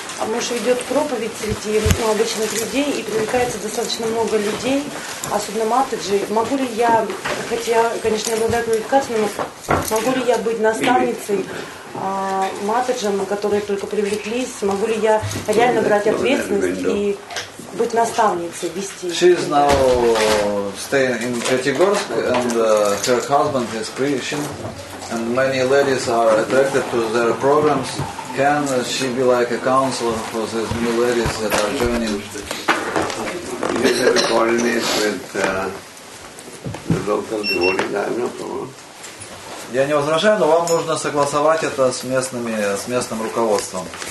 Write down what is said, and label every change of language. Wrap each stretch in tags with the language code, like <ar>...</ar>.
<ru>Муж ведет проповедь среди обычных людей и привлекается достаточно много людей, особенно матеджи. Могу ли я, хотя, конечно, я обладаю квалификацией, но могу ли я быть наставницей матеджам, которые только привлеклись? Могу ли я реально брать ответственность и быть наставницей, вести?</ru> <en>She's now staying in Pyatigorsk, and her husband is Christian, and many ladies are attracted to their programs. Can she be like a counselor for these new ladies that are joining? You have to coordinate with the local devotees. I'm not wrong.</en> <ru>Я не возражаю, но вам нужно согласовать это с местным руководством.</ru>